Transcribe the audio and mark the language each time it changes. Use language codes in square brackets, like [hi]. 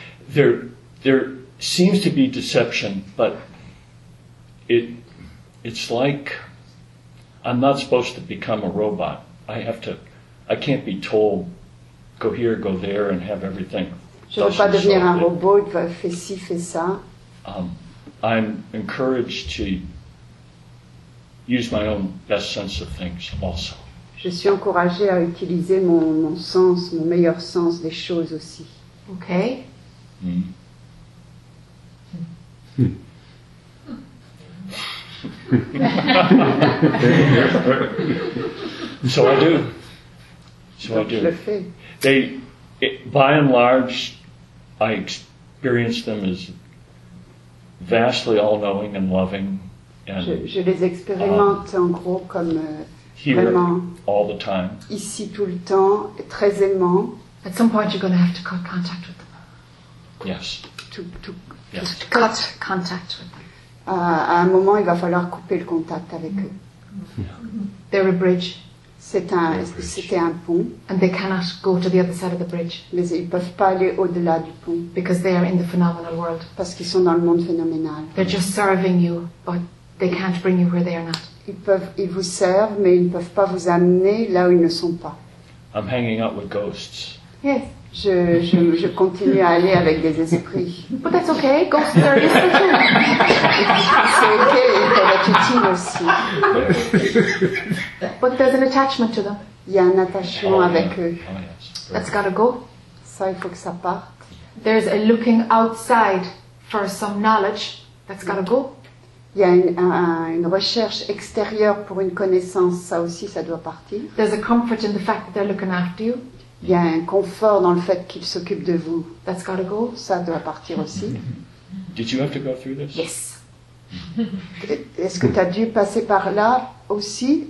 [en] There seems to be deception, but it's like I'm not supposed to become a robot. I can't be told, go here, go there, and have everything. [fr] Je ne veux pas devenir un robot, fais ci, fais ça. [en] I'm encouraged to use my own best sense of things also. [fr] Je suis encouragée à utiliser mon sens, mon meilleur sens des choses aussi. [en] OK. So I do. So I do. They, by and large, I experience them as vastly all-knowing and loving. And, [fr] je les expérimente en gros comme [en] here, [fr] vraiment. [en] All the time. [fr] Ici tout le temps, très aimant. [en] At some point, you're going to have to cut contact with them. Yes. To cut contact with them. [fr] À un moment, il va falloir couper le contact avec eux. [en] Yeah. They're a bridge. [fr] C'était un pont. [en] And they cannot go to the other side of the bridge. [fr] Mais ils peuvent pas aller au-delà du pont. [en] Because they are in the phenomenal world. [fr] Parce qu'ils sont dans le monde phénoménal. [en] They're just serving you, but they can't bring you where they are not. [fr] Ils vous servent, mais ils ne peuvent pas vous amener là où ils ne sont pas. [en] I'm hanging out with ghosts. Yes. [fr] Je continue à aller avec des esprits. [en] But that's okay. Ghosts are [fr] useful. C'est okay. Avec les teams aussi. [en] But there's an attachment to them. [fr] Il y a un attachement avec eux. [en] Oh, yes. That's gotta go. [fr] Ça, il faut que ça parte. [en] There's a looking outside for some knowledge. That's gotta go. [fr] Il y a une recherche extérieure pour une connaissance. Ça aussi, ça doit partir. [en] There's a comfort in the fact that they're looking after you. [fr] Il y a un confort dans le fait qu'ils s'occupent de vous. [en] That's gotta go. [fr] Ça doit partir aussi. [en] Did you have to go through this? Yes. [fr] Est-ce que tu as dû passer par là aussi?